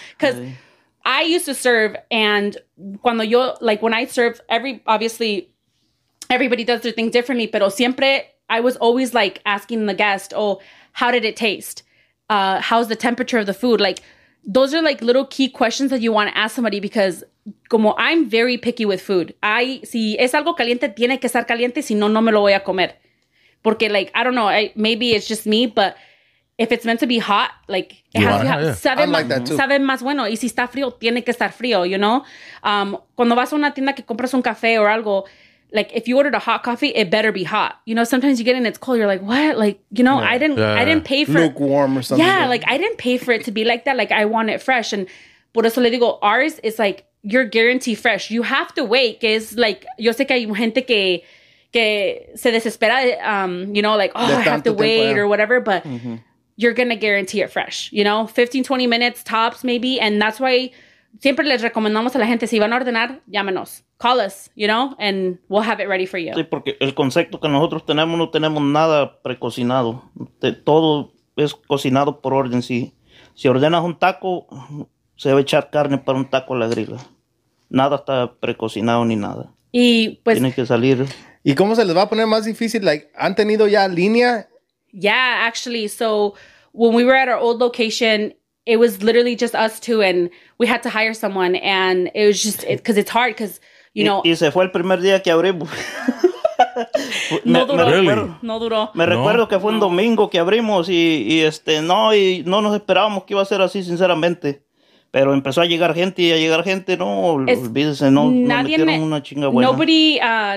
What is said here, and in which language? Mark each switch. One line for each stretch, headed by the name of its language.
English: Because I used to serve, and
Spanish: cuando yo,
English: like, when I serve, obviously, everybody does their thing differently,
Spanish: pero siempre,
English: I was always, like, asking the guest, oh, how did it taste? How's the temperature of the food? Like, those are, like, little key questions that you want to ask somebody because,
Spanish: como
English: I'm very picky with food.
Spanish: Si es algo caliente, tiene que estar caliente, si no, no me lo voy a comer. Porque,
English: like, I don't know, maybe it's just me, but if it's meant to be hot, like,
Spanish: sabe más bueno. Y si está frío, tiene que estar frío,
English: you know?
Spanish: Cuando vas a una tienda que compras un café o algo,
English: like, if you ordered a hot coffee, it better be hot. You know, sometimes you get in, it's cold. You're like, what? Like, you know, yeah. I didn't pay for lukewarm or something. Yeah, like, I didn't pay for it to be like that. Like, I want it fresh. And
Spanish: por eso le digo,
English: ours is like, you're guaranteed fresh. You have to wait. It's like,
Spanish: yo sé que hay gente que se desespera,
English: you know, like, oh, I have to wait or whatever. But you're going to guarantee it fresh, you know, 15, 20 minutes tops maybe. And that's why
Spanish: siempre les recomendamos a la gente, si van a ordenar, llámenos.
English: Call us, you know, and we'll have it ready for you.
Spanish: Sí, porque el concepto que nosotros tenemos, no tenemos nada precocinado. Todo es cocinado por orden. Si ordenas un taco, se debe echar carne para un taco a la grilla. Nada está precocinado ni nada. Y pues tiene que salir. ¿Y cómo se les va a poner más difícil? Like, ¿han tenido ya línea?
English: Yeah, actually. So when we were at our old location, it was literally just us two, and we had to hire someone, and it was just because it's hard because, you know.
Spanish: Y se fue el primer día que abrimos. No duró. Me recuerdo que fue un domingo que abrimos y no nos esperábamos que iba a ser así, sinceramente. Pero empezó a llegar gente y a llegar gente, no, olvídese, no, nadie nos metieron una chinga buena.